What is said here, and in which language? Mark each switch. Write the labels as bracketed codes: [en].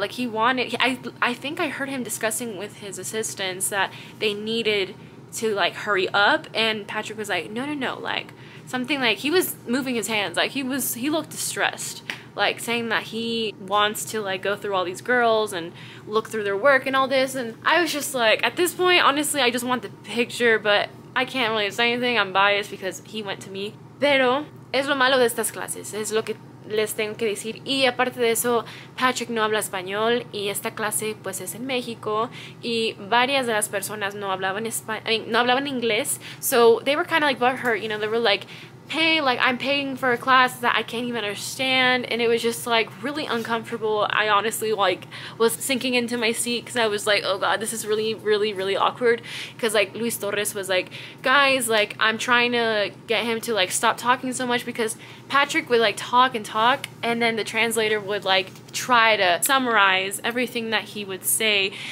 [en] Like, I think I heard him discussing with his assistants that they needed to like hurry up, and Patrick was like, no, like something, like he was moving his hands, like he looked distressed, like saying that he wants to like go through all these girls and look through their work and all this. And I was just like, at this point, honestly, I just want the picture, but I can't really say anything. I'm biased because he went to me. [es] Pero es lo malo de estas clases, es lo que les tengo que decir. Y aparte de eso, Patrick no habla español y esta clase pues es en México y varias de las personas no hablaban inglés. [en] So they were kind of like butthurt, you know, they were like, hey, like I'm paying for a class that I can't even understand. And it was just like really uncomfortable. I honestly like was sinking into my seat because I was like, oh god, this is really, really, really awkward. Because like Luis Torres was like, guys, like I'm trying to get him to like stop talking so much, because Patrick would like talk and talk and then the translator would like try to summarize everything that he would say.